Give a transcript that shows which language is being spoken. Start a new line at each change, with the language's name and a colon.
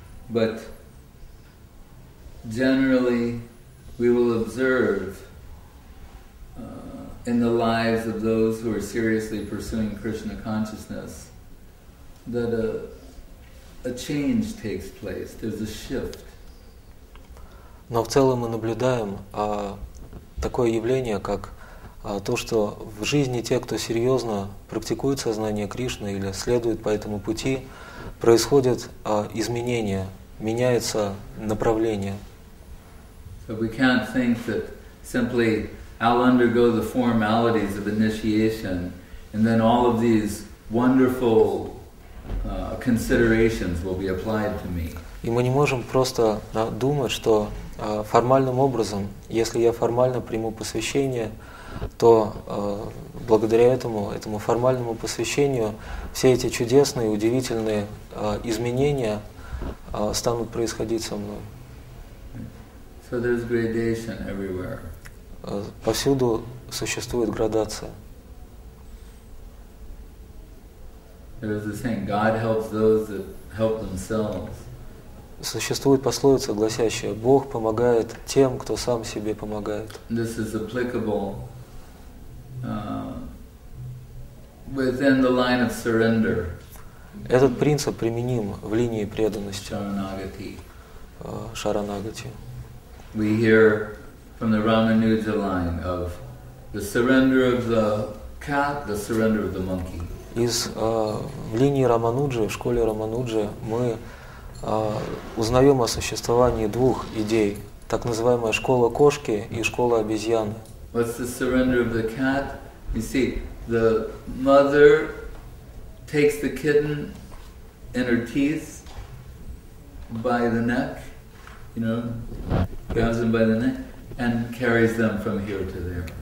English: But generally we will observe in the lives of those who are seriously pursuing Krishna consciousness, that a change takes place. There's a shift.
Russian: Но в целом мы наблюдаем такое явление, как то, что в жизни те, кто серьезно практикует сознание Кришны или следует по этому пути, происходят изменения, меняется направление.
English: So we can't think that simply I'll undergo the formalities of initiation and then all of these wonderful considerations will be applied to me.
Russian: И мы не можем просто думать, что формальным образом, если я формально приму посвящение, то благодаря этому формальному посвящению все эти чудесные, удивительные изменения станут происходить со мной.
English: So there's gradation everywhere.
Russian: Повсюду существует градация.
English: There is a saying, God helps those that help themselves.
Russian: Существует пословица, гласящая, Бог помогает тем, кто сам себе помогает.
English: This is applicable within the line of surrender.
Russian: Этот принцип применим в линии преданности.
Sanskrit: Шаранагати. Шаранагати.
English: We hear from the Ramanuja line of the surrender of the cat, the surrender of the monkey.
Russian: Из линии Рамануджи, в школе Рамануджи, мы узнаем о существовании двух идей. Так называемая школа кошки и школа обезьяны.
English: What's the surrender of the cat? You see, the mother takes the kitten in her teeth by the neck, you know, grabs them by the neck and carries them from here to there.